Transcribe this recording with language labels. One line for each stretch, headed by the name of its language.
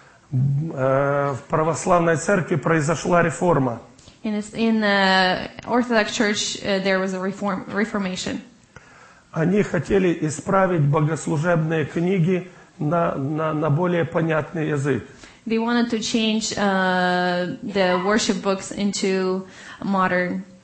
Russian: В православной церкви произошла реформа.
English: In the Orthodox Church there was a reformation.
Russian: Они хотели исправить богослужебные книги на более понятный язык.
English: They wanted to change the worship books into modern.